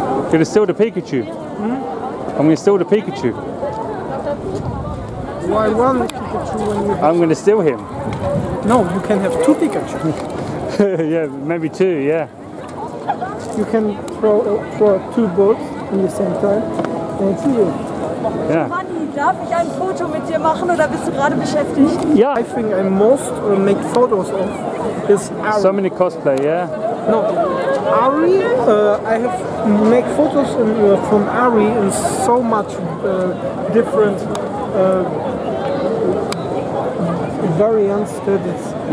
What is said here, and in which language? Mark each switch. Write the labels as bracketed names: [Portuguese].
[English] Gonna steal the Pikachu. I'm gonna steal the Pikachu. Why one Pikachu when you have... I'm gonna steal him. No, you can have two Pikachu. Yeah, maybe two, yeah. You can throw two boats in the same time and see you. Yeah. [German] Darf ich ein Foto mit dir machen oder bist du gerade beschäftigt? [English] Yeah. I think I most make photos of is Ari. So many cosplay, yeah? No. Ari, I have make photos in, from Ari in so much different variants that it's...